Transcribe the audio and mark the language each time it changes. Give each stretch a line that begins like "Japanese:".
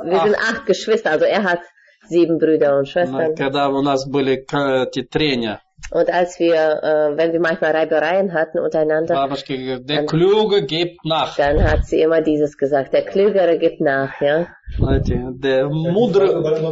German: Wir sind 8 Geschwister, also er hat 7 Brüder und Schwestern.
Russian: Когда у нас были эти трения.
German: Und als wir, wenn wir manchmal Reibereien hatten untereinander, der Kluge gibt nach. Dann hat sie immer dieses gesagt, der Klügere gibt nach, ja.
Russian: Знаете, der Mudre...